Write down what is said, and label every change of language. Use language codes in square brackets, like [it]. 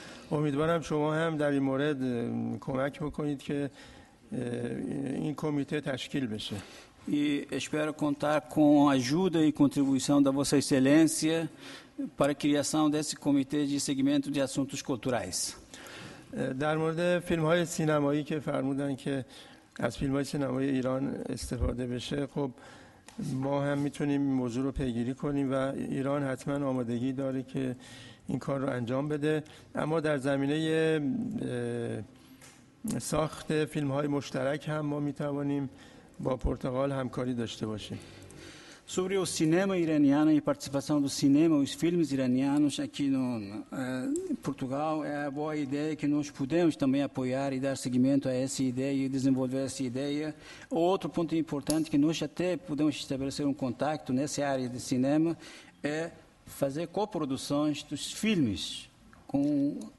[fa] امیدوارم شما هم در این مورد کمک بکنید که این کمیته تشکیل بشه. [pt] E espero contar com a ajuda e contribuição da vossa excelência para a criação desse comitê de seguimento de assuntos culturais. [fa] در مورد فیلم‌های سینمایی که فرمودن که از فیلم‌های سینمای ایران استفاده بشه، خب ما هم میتونیم موضوع رو پیگیری کنیم و ایران حتما آمادگی داره که این کار رو انجام بده، اما در زمینه ساخت فیلم‌های مشترک هم ما می‌توانیم با پرتغال همکاری داشته باشیم. [pt] Sobre o cinema iraniano e participação do cinema, os filmes iranianos aqui no Portugal, é uma boa ideia que nós podemos também apoiar e dar seguimento a essa ideia e desenvolver essa ideia. Outro ponto importante que nós até podemos estabelecer contato nessa área de cinema é fazer coproduções dos filmes com.